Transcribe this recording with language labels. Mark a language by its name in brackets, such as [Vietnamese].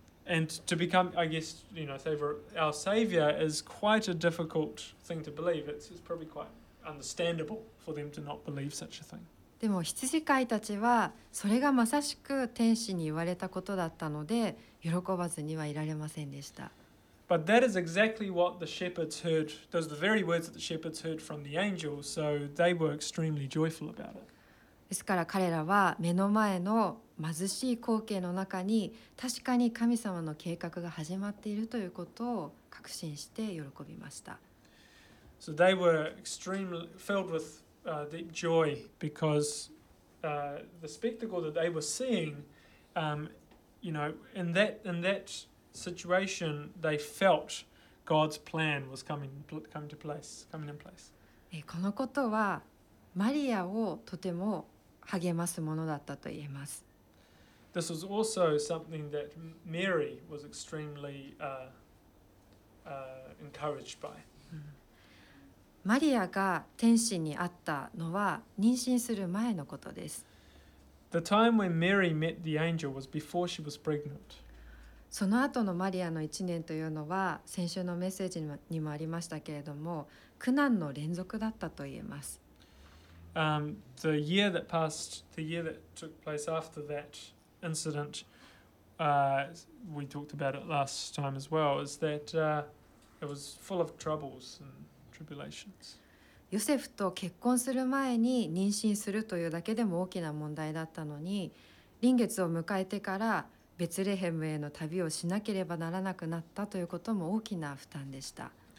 [English] And to become, I guess, you know, savior, our savior is quite a difficult thing to believe. It's probably quite understandable for them to not believe such a thing. [Japanese] でも羊飼いたちはそれがまさしく天使に言われたことだったので喜ばずにはいられませんでした。 [English] But that is exactly what the shepherds heard. Those are the very words that the shepherds heard from the angels. So they were extremely joyful about it. [Japanese] ですから彼らは目の前の貧しい光景の中に確かに神様の計画が始まっているということを確信して喜びました。 [English] So they were extremely filled with deep joy because the spectacle that they were seeing, you know, in that situation, they felt God's plan was coming in place. [Japanese] このことはマリアをとても励ますものだったと言えます。 [English] This was also something that Mary was extremely encouraged by. [Japanese] マリアが天使に会ったのは妊娠する前のことです。 [English] The time when Mary met the angel was before she was pregnant. [Japanese] その後のマリアの1年というのは先週のメッセージにもありましたけれども苦難の連続だったと言えます。 [English] The year that took place after that incident, we talked about it last time as well, is that it was full of troubles and tribulations. [Japanese] ヨセフと結婚する前に妊娠するというだけでも大きな問題だったのに、臨月を迎えてからベツレヘムへの旅をしなければならなくなったということも大きな負担でした。